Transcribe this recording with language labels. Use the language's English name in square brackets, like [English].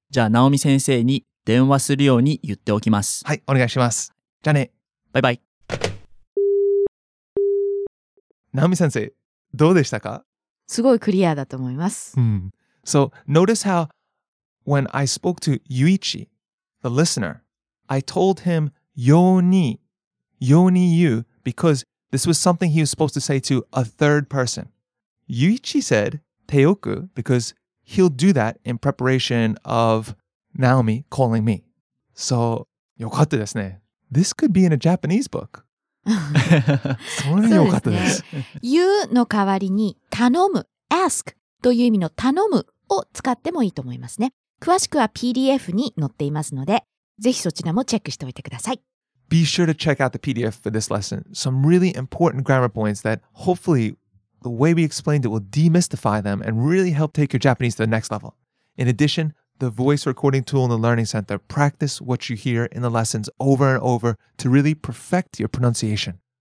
[Japanese] じゃあ、ナオミ先生に電話するように言っておきます。はい、お願いします。じゃあね。バイバイ。ナオミ先生、どうでしたか? すごいクリアだと思います。うん。 [English] So, notice how when I spoke to Yuichi, the listener, I told him, [Japanese] ように言う [English] because This was something he was supposed to say to a third person. Yuichi said, teoku, because he'll do that in preparation of Naomi calling me. So, [Japanese] yokatta desu ne. [English] This could be in a Japanese book. [Japanese] それによかったです。言うの代わりに頼む、 ask という意味の頼むを使ってもいいと思いますね。詳しくは PDF に載っていますので、ぜひそちらもチェックしておいてください。 [English] Be sure to check out the PDF for this lesson. Some really important grammar points that hopefully the way we explained it will demystify them and really help take your Japanese to the next level. In addition, the voice recording tool in the Learning Center. Practice what you hear in the lessons over and over to really perfect your pronunciation.